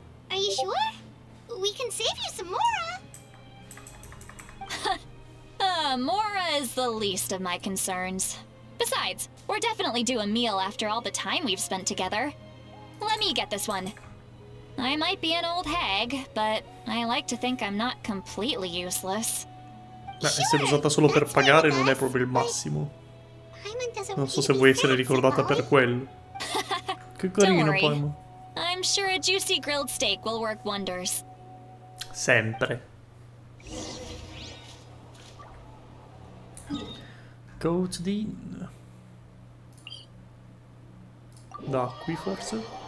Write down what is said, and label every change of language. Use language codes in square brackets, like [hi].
[en] Are you sure? We can save you some Mora. Mora is the least of my concerns. Besides, we're definitely due a meal after all the time we've spent together. Let me get this one. I might be an old hag, but I like to think I'm not completely useless. [it] Beh, essere usata solo per pagare non è proprio il massimo. Non so se vuoi essere ricordata per quello. Che carino, Paimon. [en] I'm sure a juicy grilled steak will work wonders. [it] Sempre. [en] Go to the inn. [it] Da qui forse?